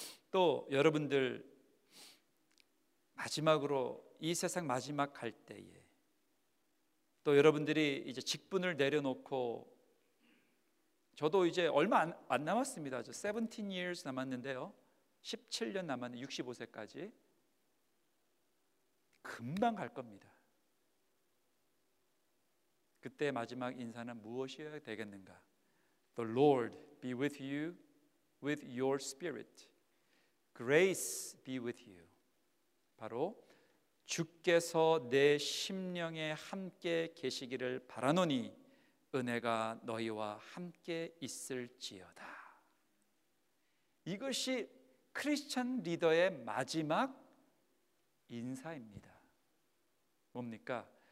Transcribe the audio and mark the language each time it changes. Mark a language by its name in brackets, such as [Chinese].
[Korean] 또 여러분들 마지막으로 이 세상 마지막 갈 때에, 또 여러분들이 이제 직분을 내려놓고, 저도 이제 얼마 안 남았습니다. 저 [English] 17 years [Korean] 남았는데요. 17년 남았는데 65세까지 금방 갈 겁니다. 그때 마지막 인사는 무엇이어야 되겠는가? [English] The Lord be with you with your spirit. Grace be with you. [Korean] 바로 주께서 내 심령에 함께 계시기를 바라노니 은혜가 너희와 함께 있을지어다. 이것이 크리스천 리더의 마지막 인사입니다. 뭡니까?